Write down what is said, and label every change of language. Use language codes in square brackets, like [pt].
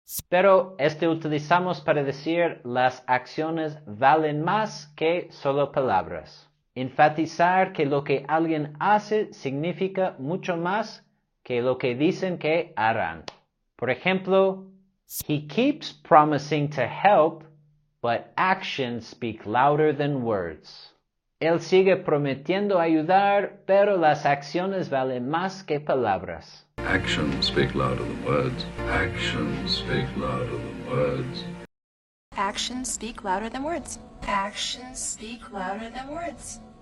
[es] Pero este utilizamos para decir las acciones valen más que solo palabras. Enfatizar que lo que alguien hace significa mucho más que lo que dicen que harán. Por ejemplo, [en] he keeps promising to help, but actions speak louder than words. [es] Él sigue prometiendo ayudar, pero las acciones valen más que palabras. [en] Actions speak louder than words. Actions speak louder than words. Actions speak louder than words. Actions speak louder than words.